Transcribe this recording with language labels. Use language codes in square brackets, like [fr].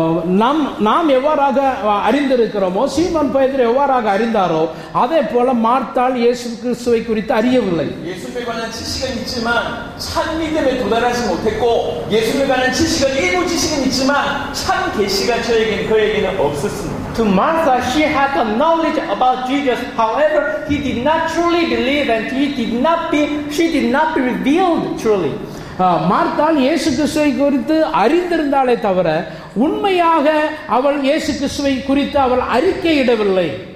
[ta] நாம் எவ்வாறாக அறிந்திருக்கிறோமோ சீமோன் பேதுரு எவ்வாறாக அறிந்தாரோ அதே போல மார்த்தாள் இயேசு கிறிஸ்துவை குறித்து அறியவில்லை. [en] To Martha, she had the knowledge about Jesus. However, he did not truly believe, and she did not be revealed truly. [ta] மார்த்தாள் இயேசு கிறிஸ்துவை குறித்து அறிந்திருந்தாலே தவிர உண்மையாக அவள் இயேசு கிறிஸ்துவை குறித்து அவள் அறிக்கையிடவில்லை.